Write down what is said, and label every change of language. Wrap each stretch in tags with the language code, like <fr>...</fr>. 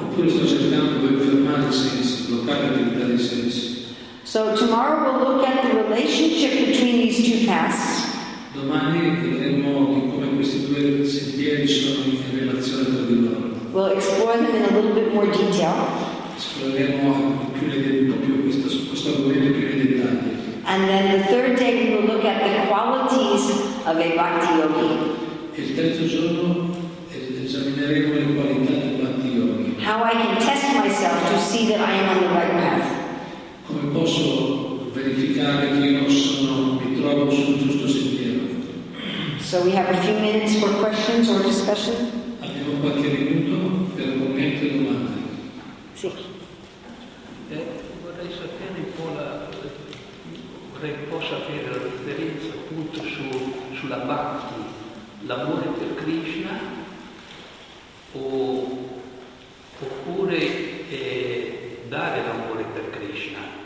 <it>Oppure sto cercando di fermare i sensi, bloccare l'attività dei sensi.</it> <en>So tomorrow we'll look at the relationship between these two paths.</en> <it>Domani vedremo di come questi due sentieri sono in relazione tra di loro.</it> <en>We'll explore them in a little bit more detail.</en> <it>Esploreremo più nel dettaglio questo argomento più nel dettaglio.</it> <en>And then the third day we will look at the qualities of a bhakti yogi.</en> <it>Il terzo giorno esamineremo le qualità del bhakti yogi.</it> <en>How I can test myself to see that I am on the right path.</en> <it>Come posso verificare che io sono, mi trovo sul giusto sentiero?</it> <en>So we have a few minutes for questions or discussion.</en> <it>Abbiamo qualche minuto per commenti e domande. Sì. Vorrei sapere un po' vorrei sapere la differenza appunto sulla bhakti, l'amore per Krishna, oppure dare l'amore per Krishna.</it>